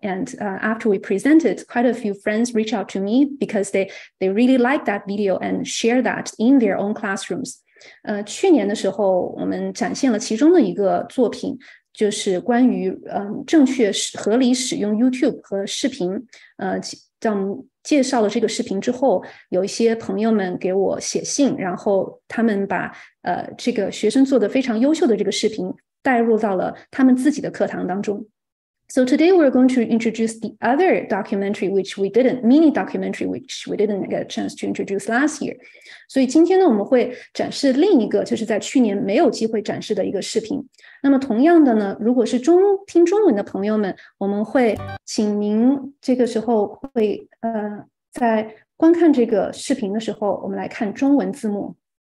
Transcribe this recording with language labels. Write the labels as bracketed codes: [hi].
[en] And after we presented, quite a few friends reached out to me because they really like that video and share that in their own classrooms. [zh] 去年的时候，我们展现了其中的一个作品，就是关于正确合理使用 YouTube 和视频。在我们介绍了这个视频之后，有一些朋友们给我写信，然后他们把这个学生做的非常优秀的这个视频带入到了他们自己的课堂当中。 [en] So today we're going to introduce the other documentary, mini documentary, which we didn't get a chance to introduce last year. [zh] 所以今天呢，我们会展示另一个，就是在去年没有机会展示的一个视频。那么同样的呢，如果是听中文的朋友们，我们会请您这个时候会在观看这个视频的时候，我们来看中文字幕。